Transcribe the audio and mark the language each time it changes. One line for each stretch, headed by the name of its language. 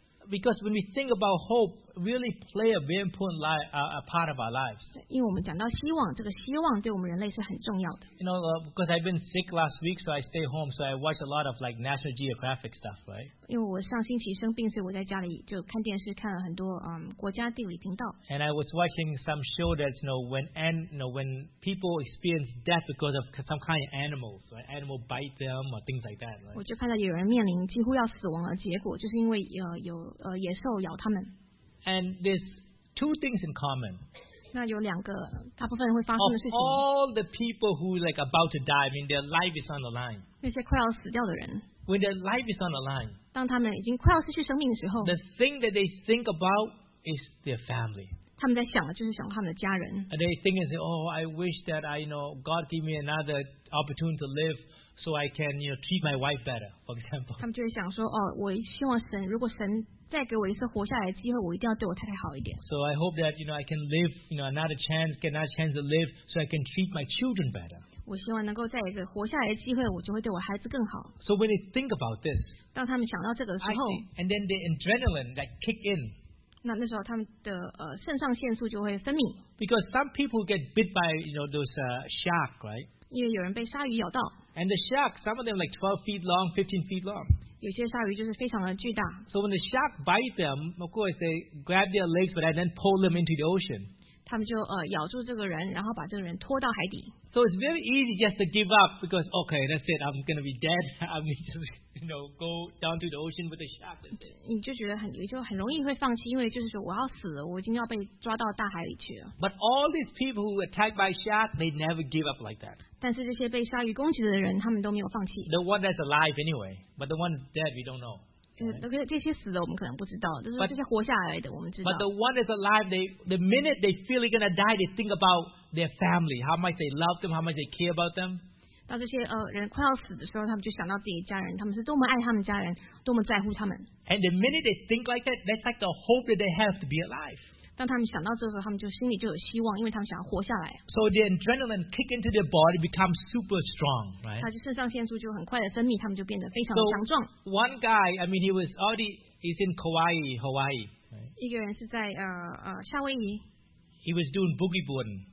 English: because when we think about hope really play a very important part of our lives
Chinese: 因为我们讲到希望这个希望对我们人类是很重要的
English: you know because I've been sick last week so I stay home so I watch a lot of like National Geographic stuff right
Chinese: 因为我上星期生病所以我在家里就看电视看了很多国家地理频道
English: and I was watching some show that you know when people experience death because of some kind of animals right? animal bite them or things like that、right?
Chinese: 我就看到有人面临几乎要死亡的结果就是因为有野兽咬他们
English: and there's two things in common
Chinese: 那有两个大部分会发生的事情
English: of all the people who like about to die I mean their life is on the line
Chinese: 那些快要死掉的人
English: When their life is on the line,
Chinese: 当他们已经快要失去生命的时候
English: the thing that they think about is their family.
Chinese: 他们在想的就是想他们的家人
English: And they think and say, oh, I wish that I, you know, God give me another opportunity to live so I can, you know, treat my wife better, for example.
Chinese: 他们就会想说，哦，我希望神，如果神再给我一次活下来的机会，我一定要对我太太好一点。
English: So I hope that, you know, I can live, you know, another chance, get another chance to live so I can treat my children better.
Chinese: 我希望能够再一个活下来的机会，我就会对我孩子更好。
English: So when they think about this,
Chinese: 当他们想到这个的时候
English: and then the adrenaline that kick in.
Chinese: 那时候他们的肾上腺素就会分泌。
English: Because some people get bit by you know those shark, right?
Chinese: 因为有人被鲨鱼咬到。
English: And the shark, some of them like 12 feet long, 15 feet long.
Chinese: 有些鲨鱼就是非常的巨大。
English: So when the shark bite them, of course they grab their legs, but then pull them into the ocean.
Chinese: 他们就咬住这个人，然后把这个人拖到海底。
English: So it's very easy just to give up because okay, that's it. I'm gonna be dead. I'm just you know go down to the ocean with the shark.
Chinese: 你就觉得很容易会放弃，因为就是说我要死了，我已经要被抓到大海里去了。
English: But all these people who attacked by shark, they never give up like that.
Chinese: 但是这些被鲨鱼攻击的人，他们都没有放弃。
English: The one that's alive anyway, but the one dead, we don't know.
Chinese: 这些死的我们可能不知道，就是这些活下来的我们知道。
English: But the one that's alive, the minute they feel they're gonna die, they think about their family, how much they love them, how much they care about them.
Chinese: 当这些人快要死的时候，他们就想到自己的家人，他们是多么爱他们家人，多么在乎他们。
English: And the minute they think like that, that's like the hope that they have to be alive.
Chinese: 当他们想到这时候，他们就心里就有希望，因为他们想要活下来。
English: So the adrenaline kick into their body becomes super strong, right?
Chinese: 他就肾上腺素就很快的分泌，他们就变得非常强壮。
English: So one guy, I mean, he was already he's in Kauai, Hawaii.
Chinese: 一个人是在夏威夷。
English: He was doing boogie board.